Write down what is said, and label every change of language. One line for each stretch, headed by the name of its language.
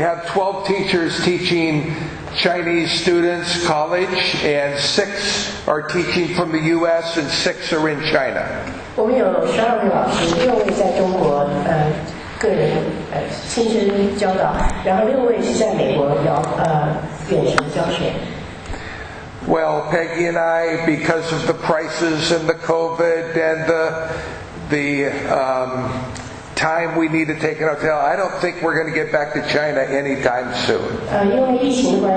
English: have 12 teachers teaching Chinese students college, and 6 are teaching from the U.S. and 6 are in China.
Chinese: 我们有12位老师，6位在中国，个人亲身教导，然后6位是在美国远程教学。
English: Well, Peggy and I, because of the prices and the COVID and the time we need to take an hotel, I don't think we're going to get back to China anytime soon.